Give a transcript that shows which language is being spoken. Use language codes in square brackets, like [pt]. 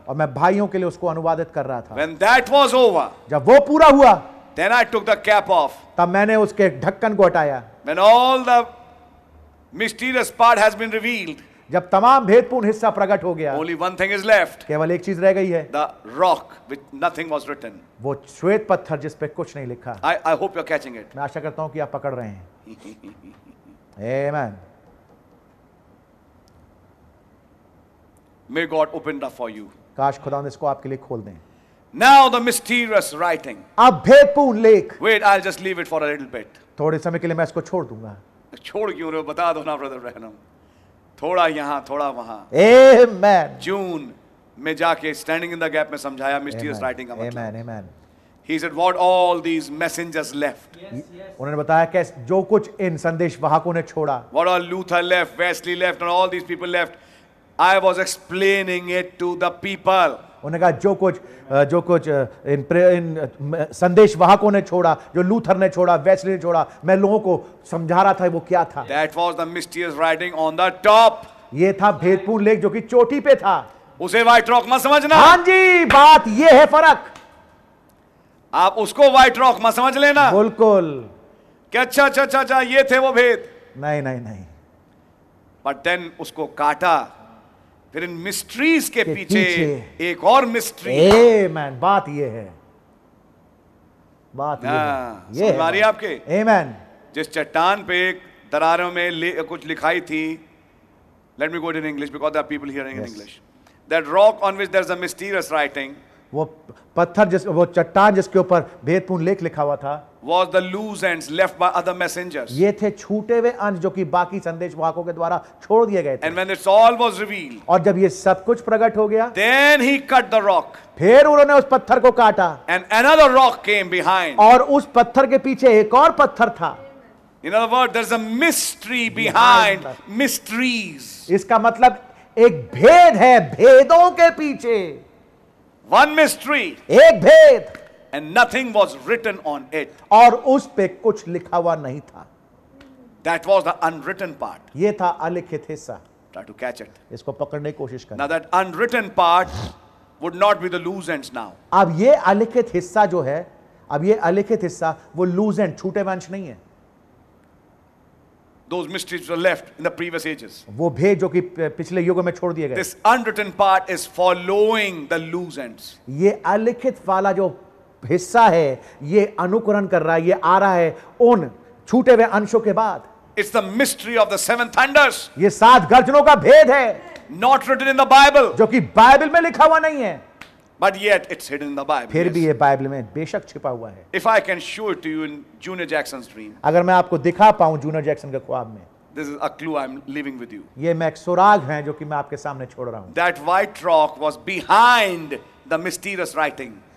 [hi] और मैं भाइयों के लिए उसको अनुवादित कर रहा था. [en] When that was over. [hi] जब वो पूरा हुआ. [en] Then I took the cap off. [hi] तब मैंने उसके ढक्कन को हटाया. [en] When all the mysterious part has been revealed. [hi] जब तमाम भेदपूर्ण हिस्सा प्रकट हो गया. [en] Only one thing is left. [hi] केवल एक चीज रह गई है. [en] The rock with nothing was written. [hi] वो श्वेत पत्थर जिस पे कुछ नहीं लिखा. [en] I hope you're catching it. [hi] मैं आशा करता हूँ कि आप पकड़ रहे हैं. [en] Amen. May God open it up for you. [hi] काश खुदा ने इसको आपके लिए खोल दें. [en] Now the mysterious writing. [hi] अब भेदपूर्ण लेख. [en] Wait, I'll just leave it for a little bit. [hi] थोड़े समय के लिए मैं इसको छोड़ दूंगा. छोड़ क्यों रहे हो? बता दो ना ब्रदर ब्रैनम. थोड़ा यहाँ थोड़ा वहाँ. [en] Amen. [hi] जून में जाके [en] standing in the gap [hi] में समझाया [en] mysterious writing [hi] का मतलब. [en] Amen. Amen. He said, "What all these messengers left?" Yes, yes. [hi] उन्होंने बताया कि जो कुछ इन संदेश वाहकों ने छोड़ा. [en] What all Luther left, Wesley left, and all these people left. I was explaining it to the people. [hi] उन्होंने कहा जो कुछ इन इन संदेश वाहकों ने छोड़ा, जो लूथर ने छोड़ा, वेस्ले ने छोड़ा, मैं लोगों को समझा रहा था वो क्या था. [en] That was the mysterious writing on the top. [hi] ये था भेदपूर्ण लेख जो कि चोटी पे था. उसे व्हाइट रॉक मत समझना. हाँ जी, बात ये है फरक. आप उसको व्हाइट रॉक मत समझ लेना. बिल्कुल. अच्छा अच्छा अच्छा अच्छा, ये थे वो भेद. नहीं नहीं नहीं. [en] but then [hi] उसको काटा. फिर इन मिस्ट्रीज के पीछे एक और मिस्ट्री. Amen. बात ये है. बात ये है. समझ रही है आपके? [en] Amen. [hi] जिस चट्टान पे दरारों में कुछ लिखाई थी. [en] Let me go in English because there are people hearing in English. That rock on which there's a mysterious writing. [hi] वो पत्थर जिस वो चट्टान जिसके ऊपर भेदपूर्ण लेख लिखा हुआ था. [en] Was the loose ends left by other messengers. [hi] ये थे छूटे हुए अंश जो कि बाकी संदेश वाहकों के द्वारा छोड़ दिए गए थे. [en] And when this all was revealed. [hi] और जब ये सब कुछ प्रकट हो गया. [en] Then he cut the rock. [hi] फिर उन्होंने उस पत्थर को काटा. [en] And another rock came behind. [hi] और उस पत्थर के पीछे एक और पत्थर था. [en] In other words, there's a mystery behind mysteries. [hi] इसका मतलब एक भेद है भेदों के पीछे. [en] One mystery. [hi] एक भेद. [en] And nothing was written on it. [hi] और उस पे कुछ लिखा हुआ नहीं था. [en] That was the unwritten part. [hi] ये था अलिखित हिस्सा. [en] Try to catch it. [hi] इसको पकड़ने की कोशिश करें. [en] Now that unwritten part would not be the loose ends now. [hi] अब ये अलिखित हिस्सा जो है, अब ये अलिखित हिस्सा वो loose end छूटे वंश नहीं है. [en] Those mysteries were left in the previous ages. [hi] वो भेद जो कि पिछले युगों में छोड़ दिए गए. [en] This unwritten part is following the loose ends. [hi] ये अलिखित वाला जो हिस्सा है ये अनुकरण कर रहा है, ये आ रहा है उन छूटे हुए अंशों के बाद. [en] It's the mystery of the seven thunders. [hi] ये सात गर्जनों का भेद है. [en] Not written in the Bible. [hi] जो कि बाइबल में लिखा हुआ नहीं है. [en] But yet it's hidden in the Bible. [hi] फिर भी ये बाइबल में बेशक छिपा हुआ है. [en] If I can show it to you in Junior Jackson's dream. [hi] अगर मैं आपको दिखा पाऊँ जूनियर जैक्सन के ख्वाब में. [en] This is a clue I'm leaving with you. [hi] ये मैं एक सुराग है जो कि मैं आपके सामने छोड़ रहा हूँ. [en] That white rock was behind the mysterious writing.